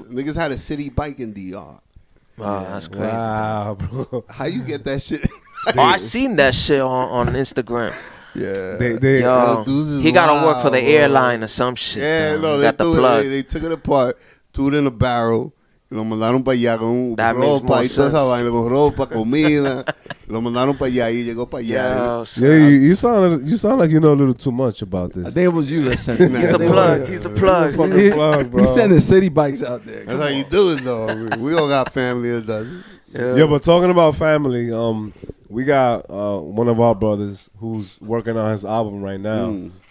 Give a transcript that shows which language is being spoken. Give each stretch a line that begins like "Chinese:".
English: Niggas had a city bike in DR. Wow, yeah. That's crazy. Wow, bro. How you get that shit? Oh, I seen that shit on Instagram. Yeah, he got to work for the airline or some shit. Yeah, damn. No, got the plug. They took it apart, threw it in a barrel.
Spanish: Lo mandaron para allá con ropa y toda esa vaina, con ropa, comida. Lo mandaron para allá y llegó para allá.
English: Yeah, you sound like you know a little too much about this. I think it was you that sent it. He's the plug. He's the plug, bro. He's sending city bikes out there. That's how you do it, though. We all got family that does it. Yeah, but talking about family, we got one of our brothers who's working on his album right now.